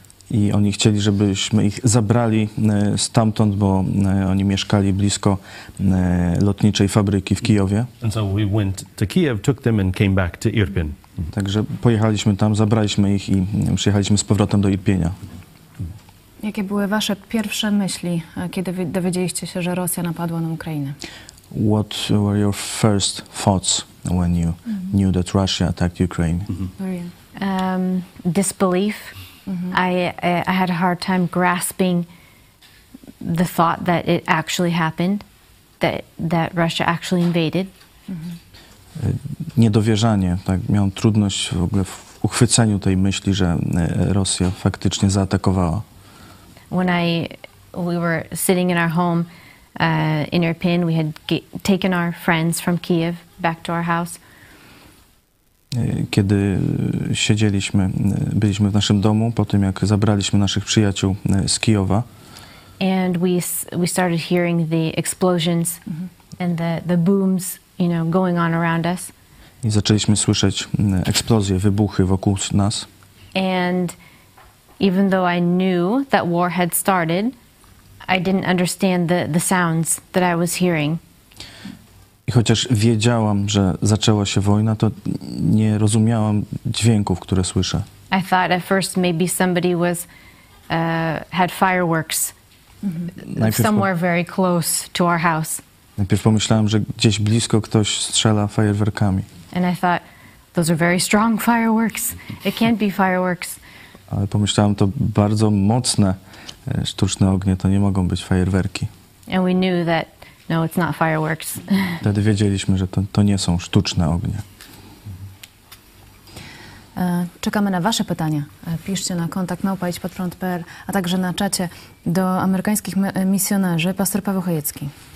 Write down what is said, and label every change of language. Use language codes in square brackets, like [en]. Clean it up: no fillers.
[pl] I oni chcieli, żebyśmy ich zabrali stamtąd, bo oni mieszkali blisko lotniczej fabryki w Kijowie. [en] And so we went to Kiev, took them and came back to Irpin. [pl] Także pojechaliśmy tam, zabraliśmy ich i przyjechaliśmy z powrotem do Irpienia. Jakie były wasze pierwsze myśli, kiedy dowiedzieliście się, że Rosja napadła na Ukrainę? [en] What were your first thoughts when you knew that Russia attacked Ukraine? Mm-hmm. Disbelief. Mm-hmm. I had a hard time grasping the thought that it actually happened, that Russia actually invaded. Mm-hmm. [pl] Niedowierzanie, tak, miałem trudność w ogóle w uchwyceniu tej myśli, że Rosja faktycznie zaatakowała. [en] When we were sitting in our home in Irpin, we had taken our friends from Kiev back to our house. [pl] Kiedy siedzieliśmy, byliśmy w naszym domu po tym, jak zabraliśmy naszych przyjaciół z Kijowa. [en] And we started hearing the explosions and the booms, you know, going on around us. [pl] I zaczęliśmy słyszeć eksplozje, wybuchy wokół nas. [en] And even though I knew that war had started, I didn't understand the sounds that I was hearing. [pl] I chociaż wiedziałam, że zaczęła się wojna, to nie rozumiałam dźwięków, które słyszę. [en] I thought at first maybe somebody was had fireworks somewhere very close to our house. [pl] Najpierw pomyślałam, że gdzieś blisko ktoś strzela fajerwerkami. [en] And I thought those are very strong fireworks. It can't be fireworks. [pl] Ale pomyślałam, to bardzo mocne sztuczne ognie, to nie mogą być fajerwerki. [en] And we knew that no, it's not fireworks. [pl] Wtedy wiedzieliśmy, że to nie są sztuczne ognie. Czekamy na wasze pytania. Piszcie na kontakt@idzpodprąd.pl, a także na czacie do amerykańskich misjonarzy. Pastor Paweł Chojecki.